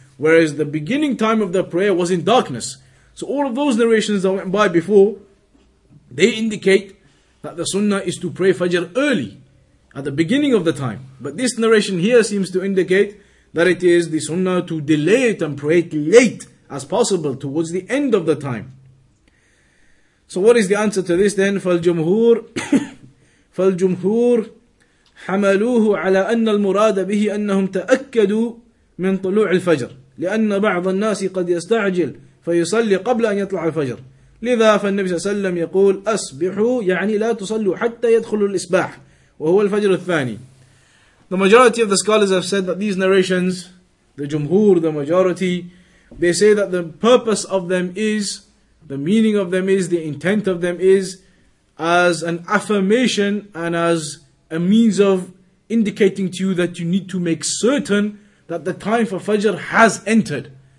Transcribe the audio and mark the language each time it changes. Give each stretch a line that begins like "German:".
English: Whereas the beginning time of the prayer was in darkness. So all of those narrations that went by before, they indicate that that the sunnah is to pray Fajr early, at the beginning of the time. But this narration here seems to indicate that it is the sunnah to delay it and pray it late as possible, towards the end of the time. So what is the answer to this then?
Arabic: فَالْجُمْهُورِ حَمَلُوهُ عَلَىٰ أَنَّ الْمُرَادَ بِهِ أَنَّهُمْ تَأَكَّدُوا مِنْ طُلُوعِ الْفَجْرِ لِأَنَّ بَعْضَ النَّاسِ قَدْ يَسْتَعْجِلْ فَيُصَلِّ قَبْلَ أَنْ يَطْلَعَ الْفَجْرِ لذا فالنبي صلى الله عليه وسلم يقول أصبحوا يعني لا تصلوا حتى يدخلوا الإصباح وهو الفجر الثاني.
English: The majority of the scholars have said that these narrations, the Jumhur, the majority, they say that the purpose of them is, the meaning of them is, the intent of them is as an affirmation and as a means of indicating to you that you need to make certain that the time for Fajr has entered.